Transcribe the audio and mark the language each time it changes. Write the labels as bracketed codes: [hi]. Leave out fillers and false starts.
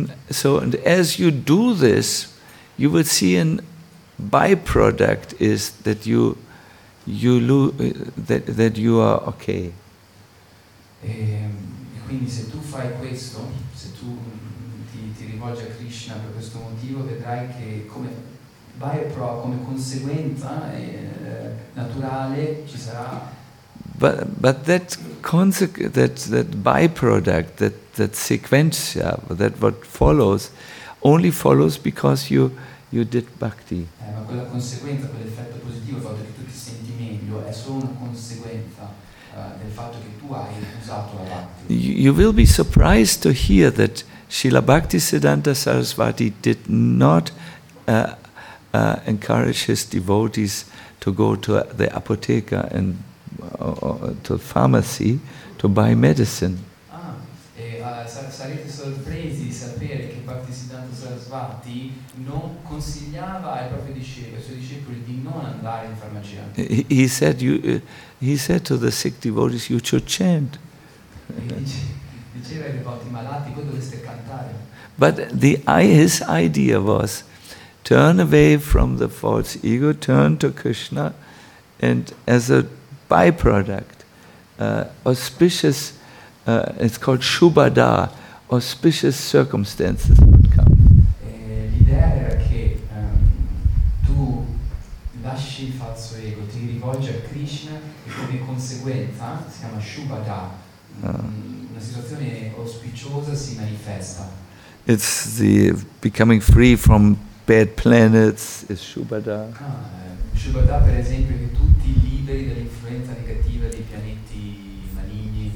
[en] So, and as you do this, you will see a byproduct is that you you are okay. [it] E quindi se tu fai questo, se tu ti rivolgi a Krishna per questo motivo, vedrai che come byproduct, come conseguenza naturale, ci sarà. [en] But that byproduct, that sequentia, that what follows, only follows because you did bhakti. [it] Ma quella conseguenza, quell'effetto positivo, il fatto che tu ti senti meglio, è solo una conseguenza del fatto che tu hai usato la bhakti. [en] You will be surprised to hear that Srila Bhaktisiddhanta Sarasvati did not encourage his devotees to go to the apotheca and to pharmacy to buy medicine. [it] Sarete sorpresi di sapere che Bhaktisiddhanta Sarasvati non consigliava ai suoi discepoli di non andare in farmacia. [en] He said to the sick devotees, you should chant. [it] Diceva ai devoti malati, voi dovreste cantare. [en] But his idea was, turn away from the false ego, turn to Krishna, and as a byproduct, auspicious, it's called Shubhada, auspicious circumstances would come. [it] L'idea era che tu lasci il falso ego, ti rivolgi a Krishna e come conseguenza, si chiama Shubhada, una situazione auspiciosa si manifesta. [en] It's the becoming free from bad planets, is Shubhada. [it] Shubhada, per esempio, che tutti liberi dall'influenza negativa dei pianeti maligni.